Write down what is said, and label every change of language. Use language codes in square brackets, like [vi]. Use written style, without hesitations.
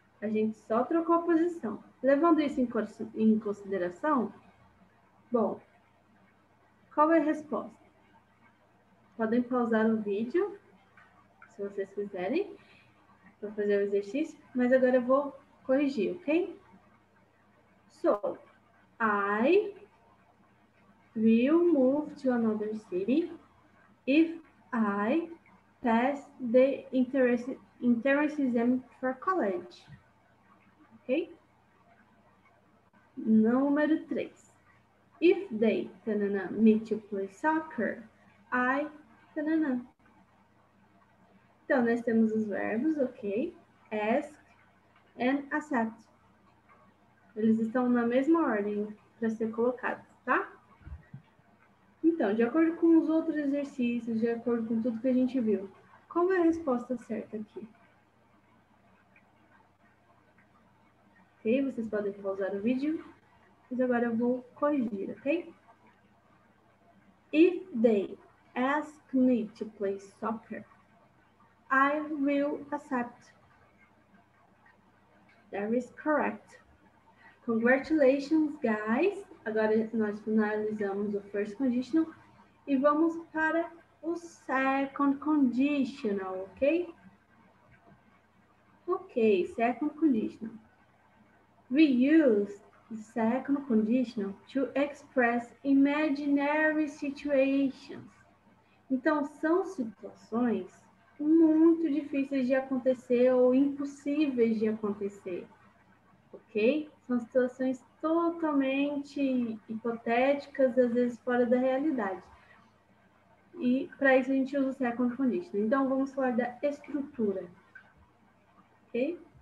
[pt] A gente só trocou a posição. Levando isso em consideração, bom, qual é a resposta? Podem pausar o vídeo, se vocês quiserem, para fazer o exercício. Mas agora eu vou corrigir, ok? [en] So, I will move to another city if I pass the entrance exam for college. Ok? Número 3. If they meet to play soccer, I... [pt] Então, nós temos os verbos, ok? [en] Ask and accept. [pt] Eles estão na mesma ordem para ser colocados, tá? Então, de acordo com os outros exercícios, de acordo com tudo que a gente viu, qual é a resposta certa aqui? Ok? Vocês podem pausar o vídeo, mas agora eu vou corrigir, ok? [en] If they ask me to play soccer, I will accept. That is correct. Congratulations, guys. [pt] Agora nós finalizamos o first conditional e vamos para o second conditional, ok? [en] Ok, second conditional. We use the second conditional to express imaginary situations. [pt] Então, são situações muito difíceis de acontecer ou impossíveis de acontecer, ok? São situações totalmente hipotéticas, às vezes fora da realidade. E para isso a gente usa o second condition. Então, vamos falar da estrutura, ok?